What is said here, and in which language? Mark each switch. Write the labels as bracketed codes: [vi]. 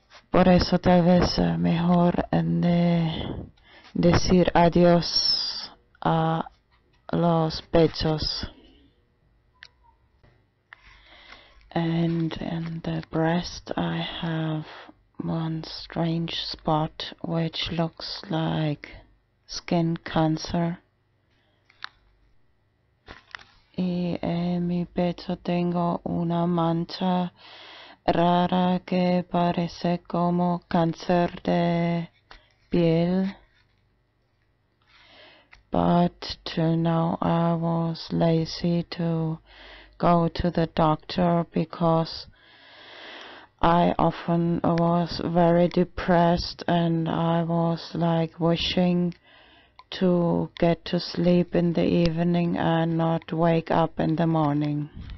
[es] Por eso tal vez mejor de decir adiós a los pechos. [en] And in the breast I have one strange spot which looks like skin cancer. [es] Y en mi pecho tengo una mancha rara que parece como cáncer de piel. [en] But till now I was lazy to go to the doctor because I often was very depressed and I was like wishing to get to sleep in the evening and not wake up in the morning.